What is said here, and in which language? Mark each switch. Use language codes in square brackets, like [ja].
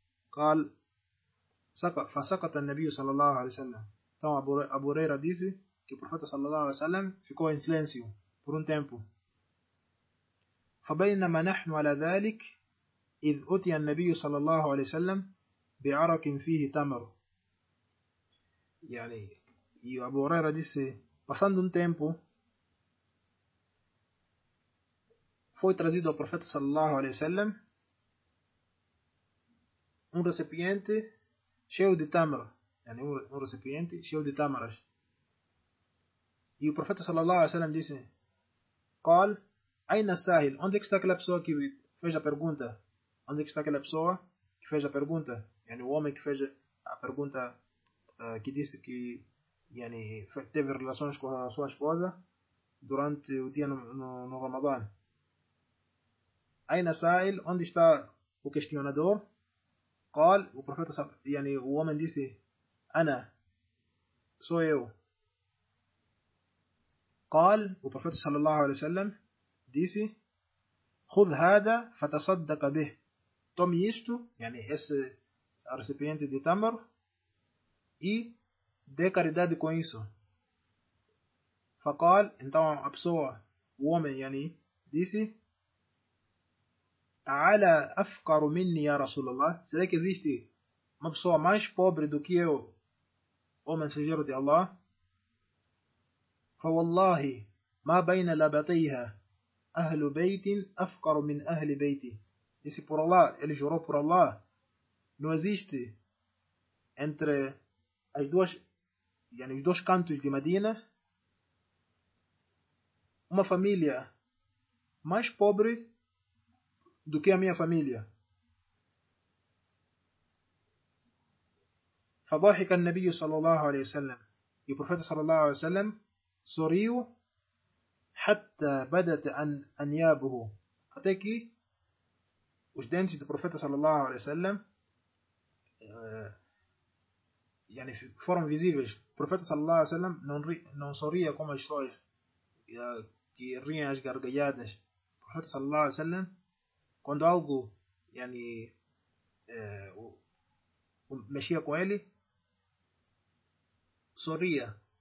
[ar] قال فسقط النبي صلى الله عليه وسلم. [pt] Então Abu Huraira disse que o profeta صلى الله عليه وسلم ficou em silêncio por um tempo. [ar] فبينما نحن على ذلك إذ أتي النبي صلى الله عليه وسلم بعرق فيه تمر. [pt] يعني Abu Huraira disse passando um tempo foi trazido ao profeta sallallahu alaihi wasallam um recipiente cheio de tâmara, um recipiente cheio de tâmaras. E o profeta sallallahu alaihi wasallam disse: [ar] "Qal, ayna sahil?" [pt] Onde está aquela pessoa que fez a pergunta? Onde está aquela pessoa que fez a pergunta? Yani, o homem que fez a pergunta que disse que yani, teve relações com a sua esposa durante o dia no Ramadã. [ar] أين سائل؟ [pt] Onde está o questionador? قال o profeta يعني o homem disse أنا sou eu. [ar] قال [pt] o profeta [ar] صلى الله عليه وسلم [pt] disse [ar] خذ هذا فتصدق به. [pt] Tome isto يعني esse recipiente de tâmara e dê caridade com isso. [ar] فقال [pt] então a pessoa o homem [ar] يعني disse على أفقر مني يا رسول الله. [pt] Será que existe uma pessoa mais pobre do que eu, o mensageiro de Allah? [ar] فوالله ما بين لبطيها أهل بيت أفقر من أهل بيتي. [pt] Disse por Allah, ele jurou por Allah, não existe entre as duas, yani, os dois cantos de Medina, uma família mais pobre do que a minha família. [ar] فضحك النبي صلى الله عليه وسلم. [pt] E o profeta [ar] صلى الله عليه وسلم [pt] sorriu [ar] حتى بدت أنيابه. [pt] Até que os dentes do profeta صلى الله عليه وسلم yani foram visíveis. O profeta صلى الله عليه وسلم não sorria como as pessoas que riem as gargalhadas. O profeta صلى الله عليه وسلم quando algo yani, mexia com ele, sorria.